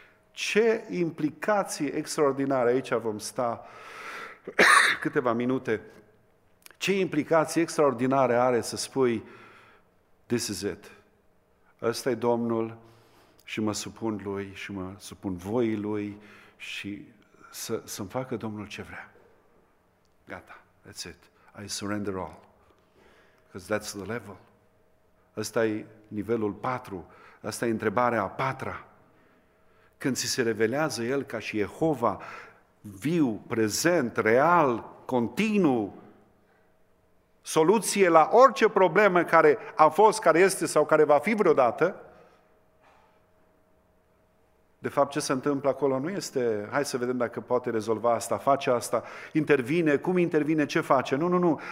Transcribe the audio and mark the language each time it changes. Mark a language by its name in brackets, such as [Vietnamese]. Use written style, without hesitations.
[Romanian] Ce implicație extraordinară, aici vom sta câteva minute, ce implicație extraordinară are să spui, [English] this is it, [Romanian] ăsta e Domnul și mă supun lui și mă supun voii lui și să-mi facă Domnul ce vrea. Gata, [English] that's it, I surrender all, because that's the level. [Romanian] Ăsta e nivelul 4, asta e întrebarea a patra. Când ți se revelează El ca și Jehova, viu, prezent, real, continuu, soluție la orice problemă care a fost, care este sau care va fi vreodată, de fapt ce se întâmplă acolo nu este, hai să vedem dacă poate rezolva asta, face asta, intervine, cum intervine, ce face, nu.